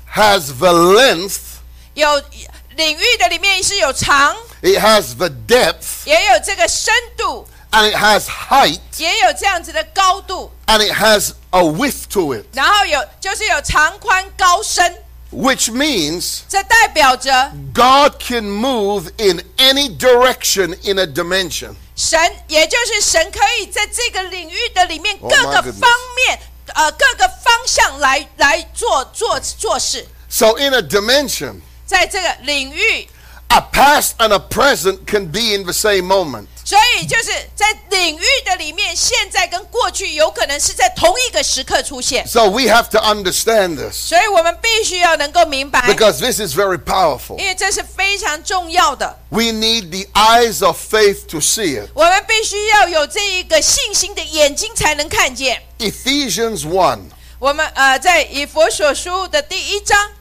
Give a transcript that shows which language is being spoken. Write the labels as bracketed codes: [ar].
[en] has the length, [zh] 有领域的里面是有长 [en] it has the depth, [zh] 也有这个深度 [en] and it has height, [zh] 也有这样子的高度 [en] and it has a width to it. [zh] 然后有就是有长宽高深。 [en] Which means, [zh] 这代表着 [en] God can move in any direction in a dimension. [zh] 神，也就是神可以在这个领域的里面各个方面，各个方向来做事。 [en] So in a dimension, [zh] 在这个领域 [en] a past and a present can be in the same moment. [zh] 所以就是在领域的里面，现在跟过去有可能是在同一个时刻出现。 [en] So we have to understand this. [zh] 所以我们必须要能够明白。 [en] Because this is very powerful. [zh] 因为这是非常重要的。 [en] We need the eyes of faith to see it. [zh] 我们必须要有这一个信心的眼睛才能看见。 [en] Ephesians 1. [zh] 我们在以弗所书的第一章。